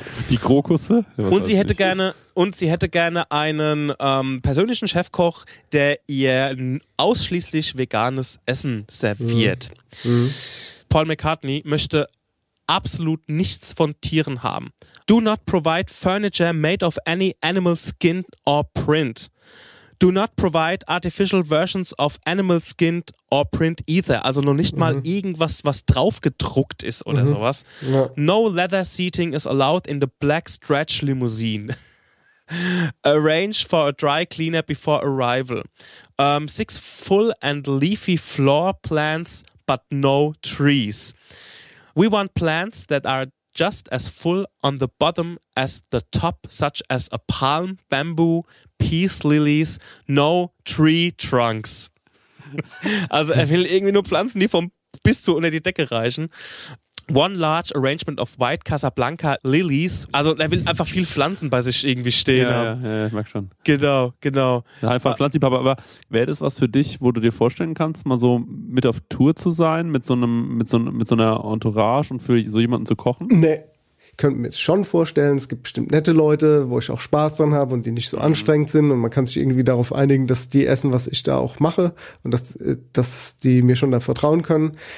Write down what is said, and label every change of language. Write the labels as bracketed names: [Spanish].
[German] Die Krokusse. Ja, und sie hätte gerne einen persönlichen Chefkoch, der ihr ausschließlich veganes Essen serviert. Paul McCartney möchte absolut nichts von Tieren haben. [English] Do not provide furniture made of any animal skin or print. Do not provide artificial versions of animal skin or print either. [German] Also noch nicht mal irgendwas, was draufgedruckt ist oder sowas. Ja. [English] No leather seating is allowed in the black stretch limousine. Arrange for a dry cleaner before arrival. 6 full and leafy floor plants, but no trees. We want plants that are just as full on the bottom as the top, such as a palm, bamboo, peace lilies, no tree trunks. [German] Also er will irgendwie nur Pflanzen, die bis zu unter die Decke reichen. [English] One large arrangement of white Casablanca lilies. [German] Also er will einfach viel Pflanzen bei sich irgendwie stehen ja, haben. Ja, ja, ich merke schon. Genau, genau. Ja, einfach Pflanzenpapa. Aber wäre das was für dich, wo du dir vorstellen kannst, mal so mit auf Tour zu sein, mit so einer Entourage und für so jemanden zu kochen? Nee. Ich könnte mir das schon vorstellen, es gibt bestimmt nette Leute, wo ich auch Spaß dran habe und die nicht so anstrengend sind und man kann sich irgendwie darauf einigen, dass die essen, was ich da auch mache und dass die mir schon da vertrauen können.